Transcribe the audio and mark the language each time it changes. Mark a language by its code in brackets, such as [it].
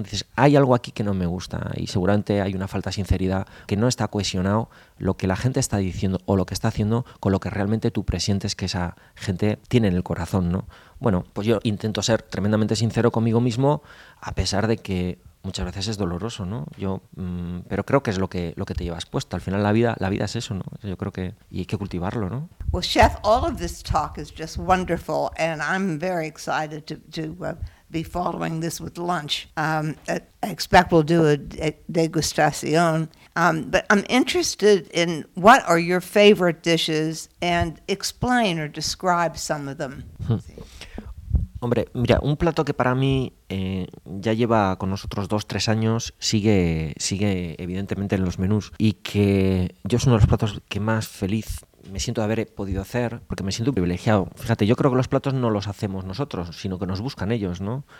[es] Dices, hay algo aquí que no me gusta, y seguramente hay una falta de sinceridad, que no está cohesionado lo que la gente está diciendo o lo que está haciendo con lo que realmente tú presientes que esa gente tiene en el corazón, ¿no? Bueno, pues yo intento ser tremendamente sincero conmigo mismo, a pesar de que muchas veces es doloroso, ¿no? Yo, pero creo que es lo que te llevas puesto. Al final la vida es eso, ¿no? Yo creo que, y hay que cultivarlo, ¿no? [en] Well, chef, all of this talk is just wonderful, and I'm very excited to be following this with lunch. I expect we'll do a degustación. But I'm interested in what are your favorite dishes, and explain or describe some of them. [es] Hombre, mira, un plato que para mí ya lleva con nosotros 2-3 años, sigue evidentemente en los menús, y que yo es uno de los platos que más feliz me siento de haber podido hacer, porque me siento privilegiado. Fíjate, yo creo que los platos no los hacemos nosotros, sino que nos buscan ellos, ¿no?